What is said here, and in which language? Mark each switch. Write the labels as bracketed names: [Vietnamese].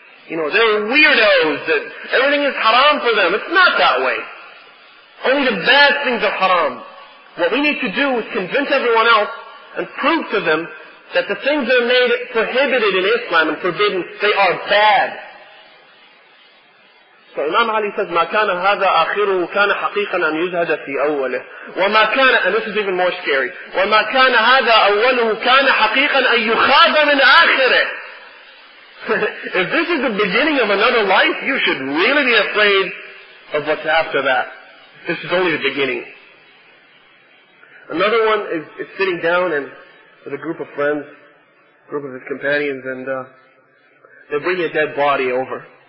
[English] You know, they're weirdos, that everything is haram for them. It's not that way. Only the bad things are haram. What we need to do is convince everyone else and prove to them that the things that are made prohibited in Islam and forbidden, they are bad. So Imam Ali says, [Arabic] مَا كَانَ هَذَا آخِرُهُ كَانَ حَقِيقًا أَنْ يُزْهَدَ فِي أَوَّلِهِ وَمَا كَانَ, [English] and this is even more scary, [Arabic] وَمَا كَانَ هَذَا أَوَّلُهُ كَانَ حَقِيقًا أَنْ يُخَابَ مِنْ آخِرِهِ. [English] If this is the beginning of another life, you should really be afraid of what's after that. This is only the beginning. Another one is sitting down and with a group of friends, a group of his companions, and they're bringing a dead body over.